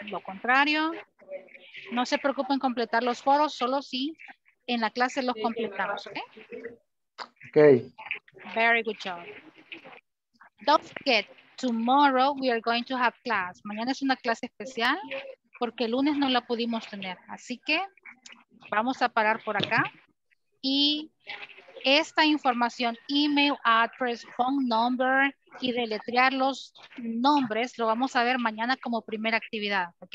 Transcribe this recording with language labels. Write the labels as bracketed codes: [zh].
[es] Lo contrario, no se preocupen completar los foros, solo si en la clase los completamos. [en] ¿Okay? Okay. Very good job. Don't forget, tomorrow we are going to have class. [es] Mañana es una clase especial porque el lunes no la pudimos tener. Así que vamos a parar por acá. Y esta información, email, address, phone number, y deletrear los nombres, lo vamos a ver mañana como primera actividad, ¿ok?